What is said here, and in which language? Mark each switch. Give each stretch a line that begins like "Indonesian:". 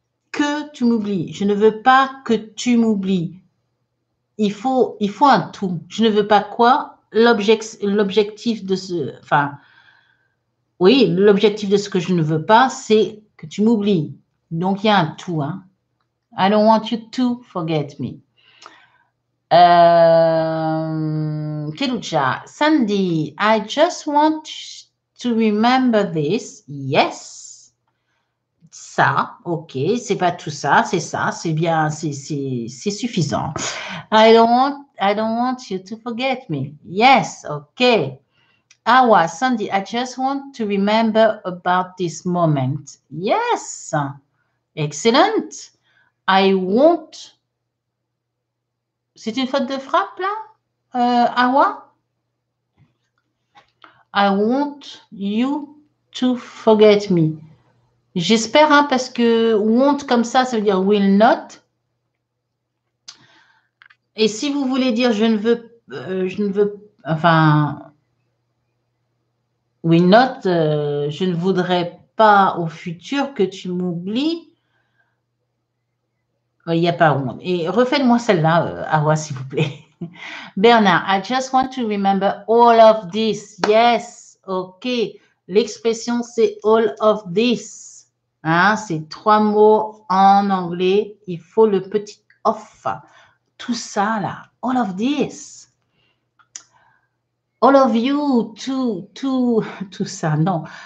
French: Que tu m'oublies. Je ne veux pas que tu m'oublies. Il faut un tout. Je ne veux pas quoi? L'objectif de ce... Enfin, oui, l'objectif de ce que je ne veux pas, c'est que tu m'oublies. Donc, il y a un tout, hein.
English: I don't want you to forget me. Kelucha, Sandy, I just want to remember this. Yes.
French: Ça, ok, c'est pas tout ça, c'est ça, c'est bien, c'est suffisant.
English: I don't want you to forget me. Yes, ok. Awa, Sandy, I just want to remember about this moment. Yes. Excellent. I won't.
French: C'est une faute de frappe là, Awa?
English: I want you to forget me.
French: J'espère, hein, parce que won't comme ça, ça veut dire will not. Et si vous voulez dire je ne veux, enfin, will not, je ne voudrais pas au futur que tu m'oublies. Il n'y a pas honte. Et refaites-moi celle-là, Awa, s'il vous plaît.
English: Bernard, I just want to remember all of this.
French: Yes, ok. L'expression, c'est
English: all of this.
French: Hein, c'est trois mots en anglais. Il faut le petit off. Tout ça, là.
English: All of this. All of you,
French: tout ça, non.